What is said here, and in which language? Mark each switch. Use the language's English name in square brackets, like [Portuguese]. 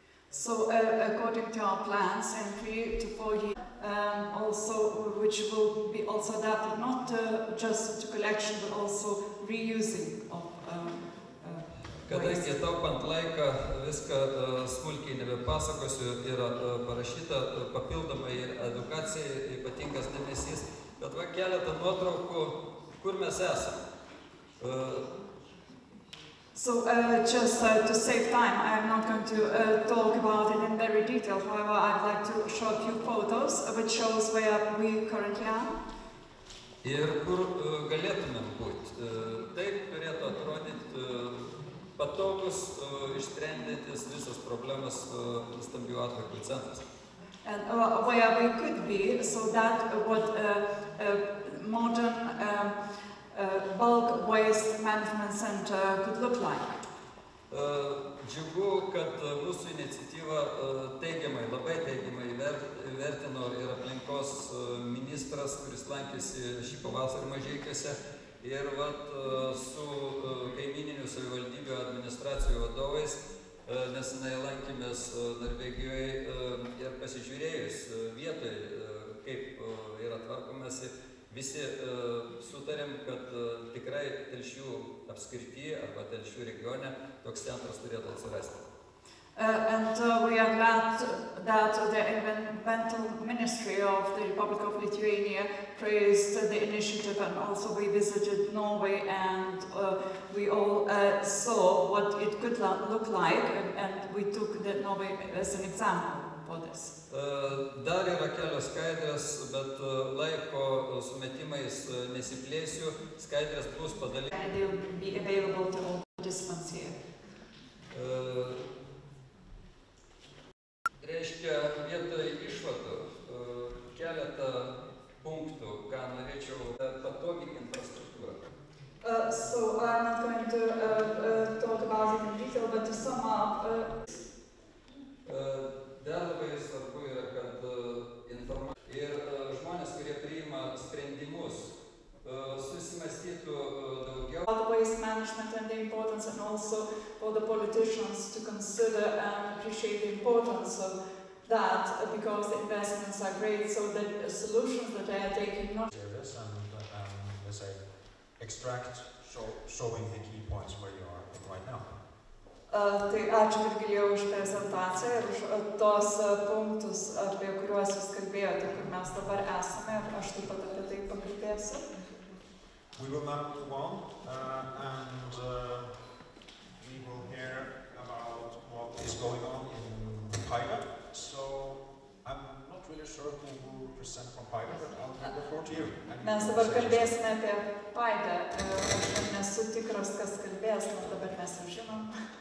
[English] So according to our plans in 3-4 years, also which will be also adapted not just to collection but also reusing of [Lithuanian] Kadangi taupant laiką viską smulkiai nebepasakosiu, yra parašyta papildomai ir edukacijai ypatingas dėmesys, bet va keletą nuotraukų, kur mes esam. [English] So just to save time, I am not going to talk about it in very detail, however I'd like to show a few photos which shows where we currently are. [Lithuanian] Ir kur galėtumėm būti, taip turėtų atrodyti patogus išsprendintis visas problemas stambių atliekų centras. [English] And where we could be, so that what modern bulk waste management center could look like. [Lithuanian] Džiugu, kad mūsų iniciatyva teigiamai, labai teigiamai vertino ir aplinkos ministras, kuris lankėsi šį pavasarį Mažeikiuose. Ir vat su kaimininių savivaldybių administracijų vadovais mes lankėmės Norvegijoje ir pasižiūrėjus vietoje, kaip yra tvarkomasi, visi sutarėm, kad tikrai Telšių apskrityje arba Telšių regione toks centras turėtų atsirasti. [English] We are glad that the Environmental Ministry of the Republic of Lithuania praised the initiative, and also we visited Norway and we all saw what it could look like, and we took the Norway as an example for this. [Lithuanian] Dar yra kelios skaidrės, bet laiko sumetimais nesiplėsiu, skaidrės bus padalytos. [English] And they will be available to all participants here. [Lithuanian] Reiškia, vietoj išvadų keletą punktų, ką norėčiau, patogi infrastruktūra. [English] So I'm not going to talk about it in detail, but to sum up. [Lithuanian] Dar labai svarbu yra, kad informacija ir žmonės, kurie priima sprendimus, susimastytų daugiau. [English] About waste management and the importance, and also for the politicians to consider and appreciate the importance of that, because the investments are great, so the solutions that they are taking not. Yes, and let's say extract showing the key points where you are right now. [Lithuanian] Tai ačiū ir gėjau už prezentaciją ir už tos punktus, apie kuriuos jūs kalbėjote, kur mes dabar esame, aš taip pat apie tai pakalbėsiu. [English] We will now move on, and we will hear about what is going on in Paide. So I'm not really sure who will present from Paide, but I'll give the floor to you. [Lithuanian] Mes dabar kalbėsime apie Paide. Nesu tikras, kas kalbės, nes dabar mes jau žinom.